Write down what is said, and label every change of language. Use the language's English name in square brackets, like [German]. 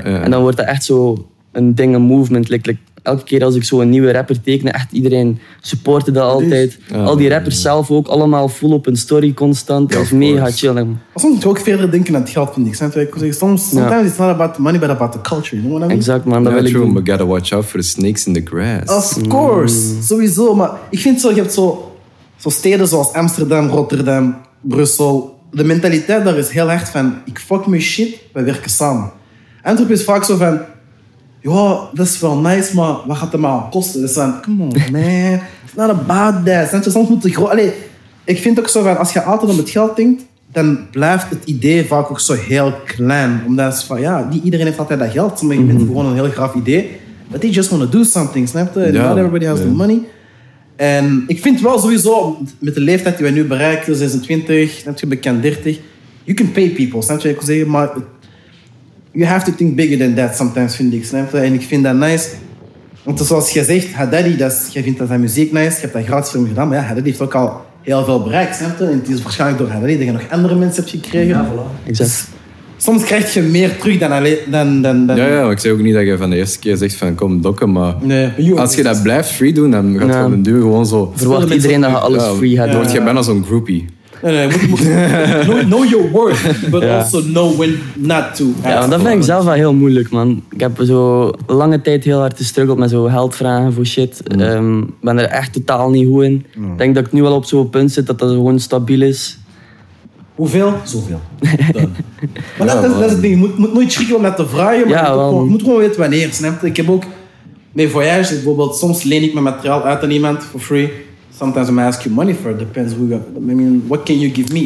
[Dutch] En dan wordt dat echt zo een ding, een movement, like, elke keer als ik zo een nieuwe rapper teken, echt iedereen supporte dat altijd. Ja, al die rappers zelf ook, allemaal full op een story constant. Ja, of mega chillen. Soms moet je ook verder denken aan het geld, vind ik. Soms is het niet [English] about the money, but about the culture. You know what I mean? [Dutch] Exact, man. Dat wil [English] true, [Dutch] ik doen. [English] We gotta watch out for the snakes in the grass. Of course. Mm. Sowieso. [Dutch] Maar ik vind zo, je hebt zo steden zoals Amsterdam, Rotterdam, Brussel. De mentaliteit daar is heel hard van, ik fuck my shit, we werken samen. Antwerpen is vaak zo van... Ja, dat is wel nice, maar wat gaat het maar kosten? Dus dan, [English] come on, man. It's not about that. [Dutch] Soms moet je groeien. Ik vind het ook zo van, als je altijd om het geld denkt, dan blijft het idee vaak ook zo heel klein. Omdat het van, ja, niet iedereen heeft altijd dat geld. Sommige mensen hebben gewoon een heel graaf idee. [English] But they just want to do something, [Dutch] snap je? [English] Yeah, not everybody has the money. [Dutch] En ik vind wel sowieso, met de leeftijd die we nu bereiken, 26, snap je, bekend 30, [English] you can pay people, [Dutch] snap je? Ik wil zeggen, maar... [English] You have to think bigger than that sometimes, [Dutch] vind ik. Snap je? En ik vind dat nice. Want zoals je zegt, Haddadi, je vindt dat zijn muziek nice. Je hebt dat gratis voor hem gedaan. Maar ja, Haddadi heeft ook al heel veel bereikt. Snap je? En het is waarschijnlijk door Haddadi dat je nog andere mensen hebt gekregen. Ja, voilà. Exact. Soms krijg je meer terug dan alleen... Ja, maar ik zeg ook niet dat je van de eerste keer zegt van kom dokken, maar... Nee, als je dat blijft free doen, dan gaat het een duur gewoon zo... Verwacht iedereen dat je alles free gaat doen. Dan word je bijna zo'n groupie. [English] Nee, know your worth, but also know when not to. [Dutch] Ja, dat vind ik zelf wel heel moeilijk, man. Ik heb zo lange tijd heel hard gestruggeld met zo geld vragen voor shit. Ik ben er echt totaal niet goed in. Ik denk dat ik nu wel op zo'n punt zit dat gewoon stabiel is. Hoeveel? Zoveel. Maar ja, dat is het ding. Je moet nooit schrikken om dat te vragen, maar je moet gewoon weten wanneer. Snap je? Ik heb ook... Nee, voyage bijvoorbeeld. Soms leen ik mijn materiaal uit aan iemand [English] for free. Sometimes I ask you money for it. Depends who you have. I mean, what can you give me?